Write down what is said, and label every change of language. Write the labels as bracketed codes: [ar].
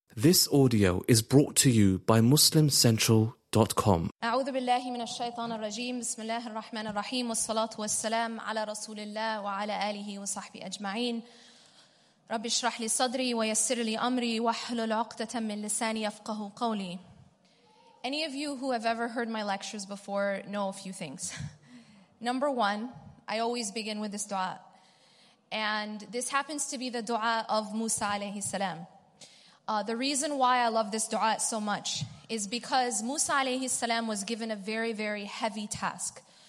[en] This audio is brought to you by MuslimCentral.com. [ar] أعوذ بالله من الشيطان الرجيم. بسم الله الرحمن الرحيم والصلاة والسلام على رسول الله وعلى آله وصحبه أجمعين. رب اشرح لي صدري ويسر لي أمري واحلل عقدة من لساني يفقه قولي. [en] Any of you who have ever heard my lectures before know a few things. Number one, I always begin with this dua. And this happens to be the dua of Musa alayhi salam. The reason why I love this dua so much is because Musa alayhi salam was given a very, very heavy task.